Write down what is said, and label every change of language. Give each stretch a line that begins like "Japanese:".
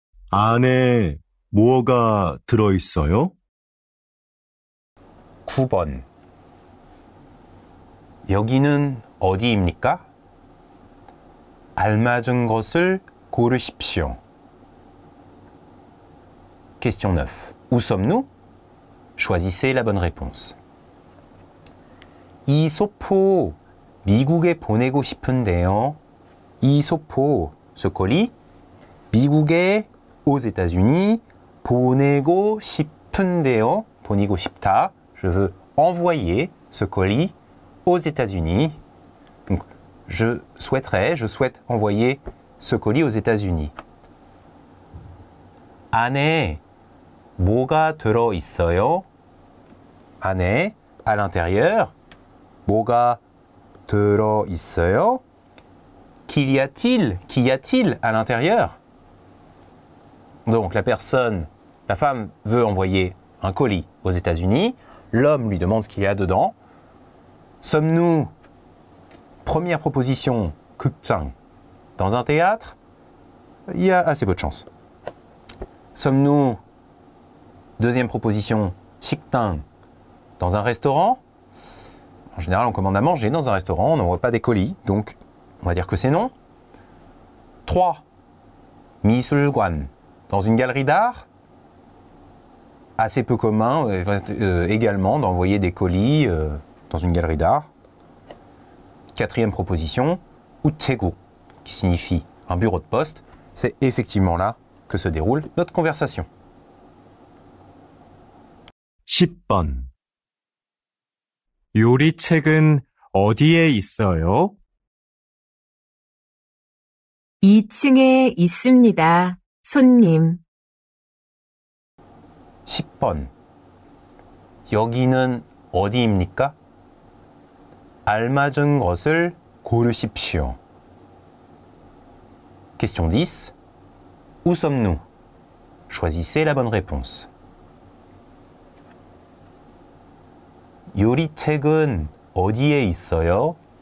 Korean: 안에 뭐가 들어있어요? 9번 여기는 어디입니까? 알맞은 것을 고르십시오.
French: Question 9. Où sommes-nous? Choisissez la bonne réponse.
Korean: 이 소포 미국에 보내고 싶은데요. 이 소포,
French: ce colis,
Korean: 미국에
French: aux États-Unis
Korean: 보내고 싶은데요. 보내고 싶다.
French: Je veux envoyer ce colis aux États-Unis. Je souhaite envoyer ce colis aux États-Unis.
Korean: 안에 뭐가 들어 있어요? 안에
French: à l'intérieur
Korean: 뭐가 들어 있어요?
French: Qu'y a-t-il à l'intérieur? Donc la femme veut envoyer un colis aux États-Unis. L'homme lui demande ce qu'il y a dedans. Sommes-nous, première proposition, 극장, dans un théâtre? Il y a assez peu de chance. Sommes-nous, deuxième proposition, 식당, dans un restaurant? En général, on commande à manger dans un restaurant, on n'envoie pas des colis, donc on va dire que c'est non. 3.
Korean: 미술관,
French: dans une galerie d'art? Assez peu commun également d'envoyer des colis dans une galerie d'art. Quatrième proposition, Utsegu, qui signifie un bureau de poste. C'est effectivement là que se déroule notre conversation.
Korean: 10번. 요리책은 어디에 있어요? 2층에 있습니다, 손님. 10번. 여기는 어디입니까? 알맞은 것을 고르십시오.
French: Question 10. Où sommes-nous? Choisissez la bonne réponse.
Korean: 요리책은 어디에 있어요?